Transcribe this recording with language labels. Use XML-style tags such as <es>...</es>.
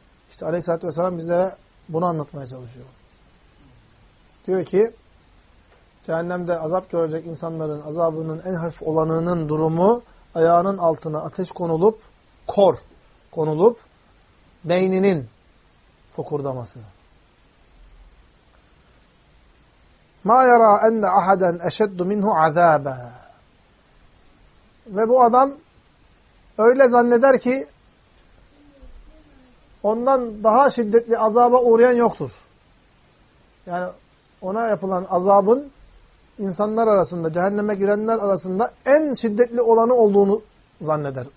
<tr>İşte Aleyhisselatü Vesselam bizlere bunu anlatmaya çalışıyor. Diyor ki, cehennemde azap görecek insanların azabının en hafif olanının durumu ayağının altına ateş konulup, kor konulup, beyninin fokurdaması.</tr> <ar>مَا يَرَى أَنَّ أَحَدًا أَشَدُّ مِنْهُ عَذَابًا.</ar> <tr>Ve bu adam öyle zanneder ki, ondan daha şiddetli azaba uğrayan yoktur. Yani ona yapılan azabın insanlar arasında, cehenneme girenler arasında en şiddetli olanı olduğunu zanneder.</tr>